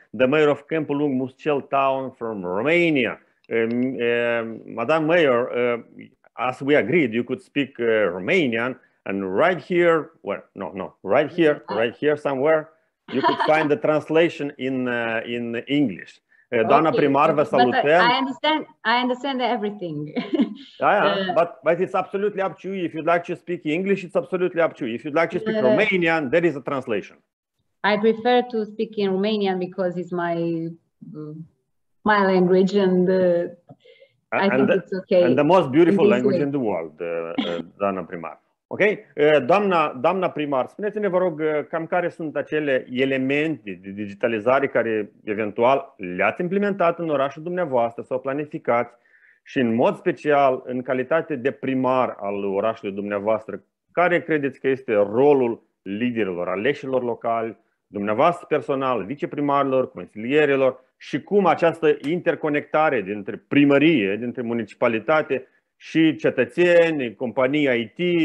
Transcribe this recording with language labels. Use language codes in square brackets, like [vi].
[en] the mayor of Câmpu Lung, Muscel town from Romania. Madam Mayor, as we agreed, you could speak Romanian, and right here, right here somewhere, you could find the translation in English. [ro] Doamna primar, vă salutăm. [en] I understand everything. but it's absolutely up to you. If you'd like to speak English, it's absolutely up to you. If you'd like to speak Romanian, there is a translation. I prefer to speak in Romanian because it's my my language, and I think it's okay. And the most beautiful language in the world, [ro] doamna primar. [en] Ok? [ro] Doamna primar, spuneți-ne, vă rog, cam care sunt acele elemente de digitalizare care eventual le-ați implementat în orașul dumneavoastră sau planificați și în mod special în calitate de primar al orașului dumneavoastră, care credeți că este rolul liderilor, aleșilor locali, dumneavoastră personal, viceprimarilor, consilierilor și cum această interconectare dintre primărie, dintre municipalitate și cetățeni, companii IT,